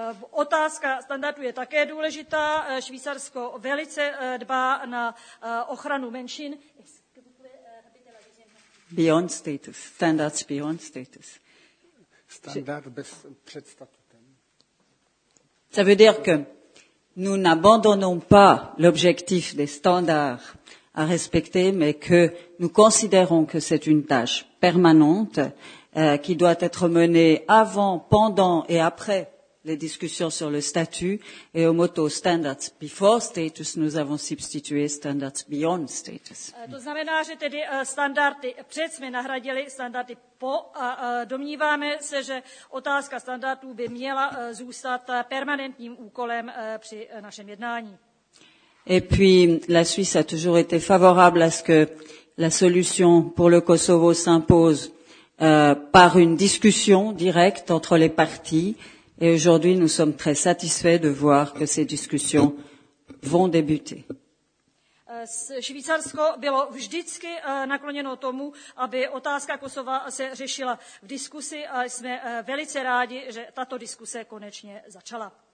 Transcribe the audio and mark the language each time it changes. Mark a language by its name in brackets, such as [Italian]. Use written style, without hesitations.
[Czech] Otázka standardu je také důležitá. Švýcarsko velice dbá na ochranu menšin. [English] Beyond status, standards beyond status. [Czech] Standard bez před statutem. [French] Ça veut dire que nous n'abandonnons pas l'objectif des standards à respecter, mais que nous considérons que c'est une tâche permanente qui doit être menée avant, pendant et après les discussions sur le statut. Et au motto [English] standards before status, [French] nous avons substitué [English] standards beyond status. [Czech] To znamená, že tedy standardy před jsme nahradili standardy po a domníváme se, že otázka standardů by měla zůstat permanentním úkolem při našem jednání. [French] Et puis la Suisse a toujours été favorable à ce que la solution pour le Kosovo s'impose par une discussion directe entre les parties. Et aujourd'hui, nous sommes très satisfaits de voir que ces discussions vont débuter. [Czech] Švýcarsko bylo vždycky nakloněno tomu, aby otázka Kosova se řešila v diskusi a jsme velice rádi, že tato diskuse konečně začala.